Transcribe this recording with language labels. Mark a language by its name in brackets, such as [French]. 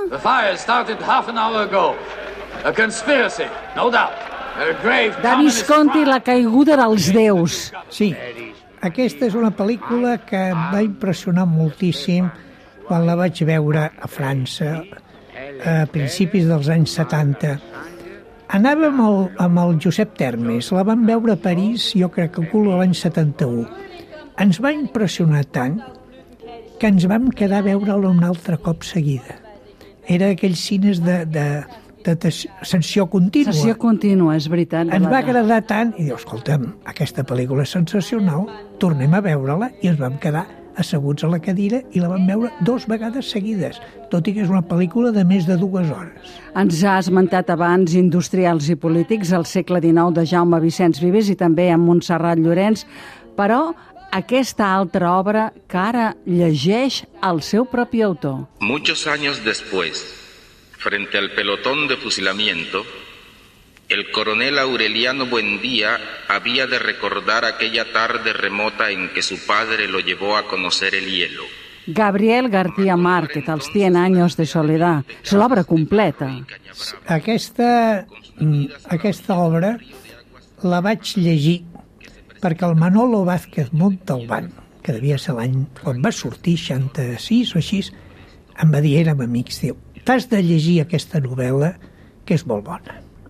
[English] The fire started half an hour ago. A conspiracy, no doubt. [Catalan] A grave de Visconti, la caiguda dels déus. Sí, aquesta és una pel·lícula que em va impressionar moltíssim quan la vaig veure a França a principis dels anys 70. Anàvem amb el Josep Termes, la vam veure a París, jo crec que culo l'any 71. Ens va impressionar tant que ens vam quedar a veure-la un altre cop seguida. Era aquells cines de sensació contínua. Sensació contínua, és veritat. Ens va agradar tant, i diu, escolta'm, aquesta pel·lícula és sensacional, tornem a veure-la, i ens vam quedar asseguts a la cadira i la vam veure dues vegades seguides, tot i que és una pel·lícula de més de 2 hores. Ens ha esmentat abans Industrials i polítics, al segle XIX, de Jaume Vicenç Vives i també amb Montserrat Llorenç, però aquesta altra obra que ara llegeix el seu propi autor. [Spanish] Muchos años después, frente al pelotón de fusilamiento, el coronel Aureliano Buendía había de recordar aquella tarde remota en que su padre lo llevó a conocer el hielo. [Catalan] Gabriel García Márquez, Els 100 años de soledad. És l'obra completa. Aquesta obra la vaig llegir perquè el Manolo Vázquez Montalbán, que devia ser l'any quan va sortir, 66 o així, em va dir, érem amics, diu, t'has de llegir aquesta novel·la que és molt bona.